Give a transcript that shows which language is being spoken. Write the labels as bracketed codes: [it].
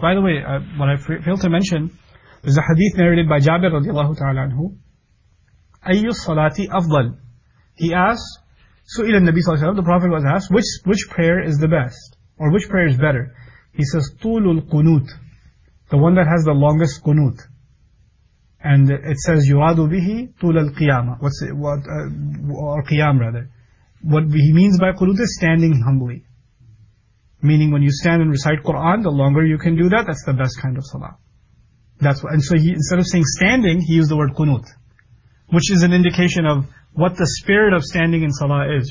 [en] By the way, what I failed to mention, there's a hadith narrated by Jabir radiallahu ta'ala anhu. [ar] Ayyus salati afdal. [en] He asks, so [ar] إلى النبي صلى الله عليه وسلم, [en] the Prophet was asked, which prayer is the best? Or which prayer is better? He says, [ar] طول القنوت. [en] The one that has the longest قنوت. And it says, [ar] يراد به طول القيامة. [en] Or قيام rather. What he means by قنوت is standing humbly. Meaning when you stand and recite Quran, the longer you can do that, that's the best kind of salah. Instead of saying standing, he used the word قنوت. Which is an indication of what the spirit of standing in salah is.